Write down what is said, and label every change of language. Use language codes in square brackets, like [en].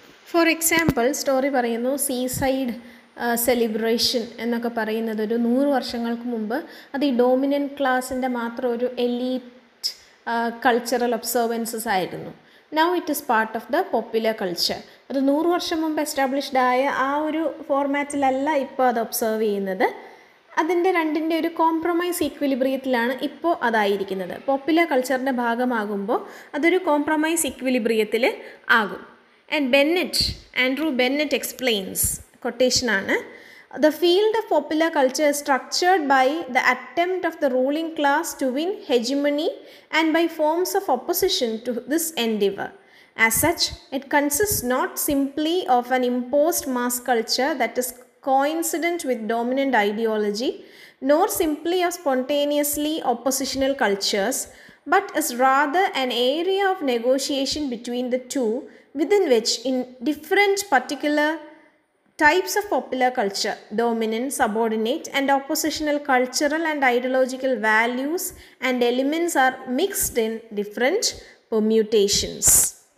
[en] For example, [ml] Storey parayunu seaside celebration എന്നൊക്കെ പറയുന്നത് ഒരു 100 വർഷങ്ങൾക്ക് മുമ്പ് അത് ഈ ഡോമിനൻ്റ് ക്ലാസിൻ്റെ മാത്രം ഒരു എലീറ്റ് കൾച്ചറൽ ഒബ്സർവൻസസ് ആയിരുന്നു. [en] Now it is part of the popular culture. [ml] അത് 100 വർഷം മുമ്പ് എസ്റ്റാബ്ലിഷ്ഡ് ആയ ആ ഒരു ഫോർമാറ്റിലല്ല ഇപ്പോൾ അത് ഒബ്സേർവ് ചെയ്യുന്നത്. അതിൻ്റെ രണ്ടിൻ്റെ ഒരു കോംപ്രമൈസ് ഇക്വിലിബ്രിയത്തിലാണ് ഇപ്പോൾ അതായിരിക്കുന്നത്. പോപ്പുലർ കൾച്ചറിൻ്റെ ഭാഗമാകുമ്പോൾ അതൊരു കോംപ്രമൈസ് ഇക്വിലിബ്രിയത്തിൽ ആകും. [en] And Bennett, Andrew Bennett explains, കൊട്ടേഷനാണ്, the field of popular culture structured by the attempt of the ruling class to win hegemony and by forms of opposition to this endeavour. As such it consist not simply of an imposed mass culture that is coincident with dominant ideology, nor simply or spontaneously oppositional cultures, but is rather an area of negotiation between the two, within which in different particular types of popular culture, dominant, subordinate, and oppositional cultural and ideological values and elements are mixed in different permutations.